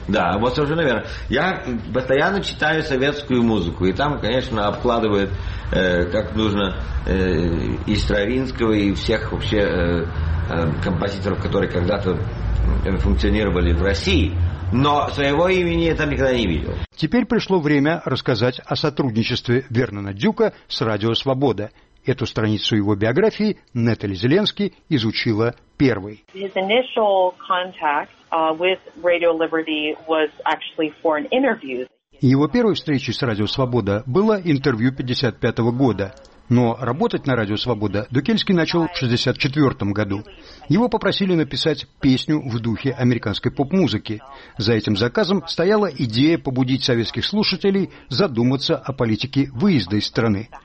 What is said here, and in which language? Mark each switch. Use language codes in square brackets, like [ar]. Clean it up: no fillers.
[ru] Да, вот совершенно верно. Я постоянно читаю советскую музыку, и там, конечно, обкладывают, как нужно, и Стравинского, и всех вообще композиторов, которые когда-то функционировали в России. Но своего имени я там никогда не видел. Теперь пришло время рассказать о сотрудничестве Вернона Дюка с «Радио Свобода». Эту страницу его биографии Нетали Зеленский изучила первой. [en] His initial contact with Radio Liberty was actually for an interview. [ru] Его первой встречей с Радио Свобода было интервью 55 года. Но работать на Радио Свобода Дукельский начал в 64 году. Его попросили написать песню в духе американской поп-музыки. За этим заказом стояла идея побудить советских слушателей задуматься о политике выезда из страны.